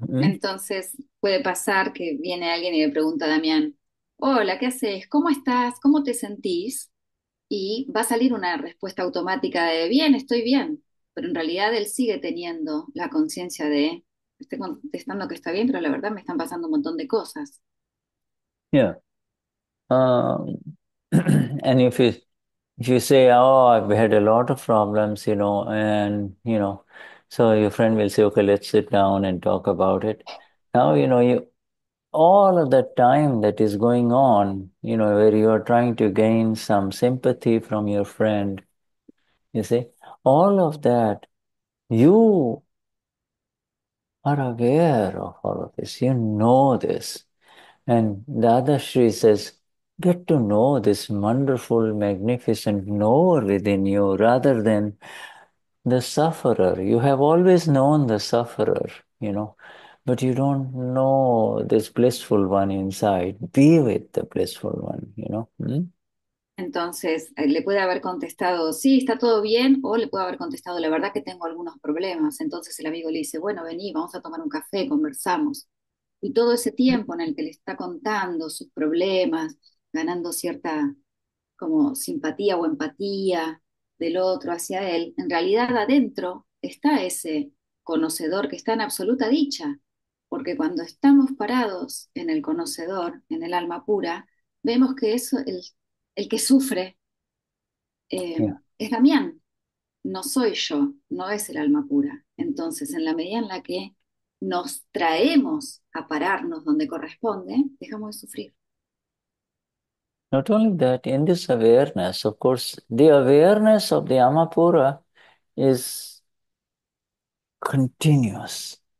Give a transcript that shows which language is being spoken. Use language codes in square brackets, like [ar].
[es] Entonces puede pasar que viene alguien y le pregunta a Damián, hola, ¿qué haces? ¿Cómo estás? ¿Cómo te sentís? Y va a salir una respuesta automática de bien, estoy bien. Pero en realidad él sigue teniendo la conciencia de, estoy contestando que está bien, pero la verdad me están pasando un montón de cosas. [en] And if you say, oh, I've had a lot of problems, so your friend will say, okay, let's sit down and talk about it. Now, all of that time that is going on, where you are trying to gain some sympathy from your friend, you see, all of that, you are aware of all of this, you know this. And Dadashri says, get to know this wonderful, magnificent knower within you rather than the sufferer. You have always known the sufferer, but you don't know this blissful one inside. Be with the blissful one, [es] Entonces, le puede haber contestado, sí, está todo bien, o le puede haber contestado, la verdad que tengo algunos problemas. Entonces el amigo le dice, bueno, vení, vamos a tomar un café, conversamos. Y todo ese tiempo en el que le está contando sus problemas, ganando cierta como simpatía o empatía del otro hacia él, en realidad adentro está ese conocedor que está en absoluta dicha, porque cuando estamos parados en el conocedor, en el alma pura, vemos que eso el que sufre es Damián, no soy yo, no es el alma pura. Entonces, en la medida en la que nos traemos a pararnos donde corresponde, dejamos de sufrir. [en] Not only that, in this awareness, of course, the awareness of the Amapura is continuous.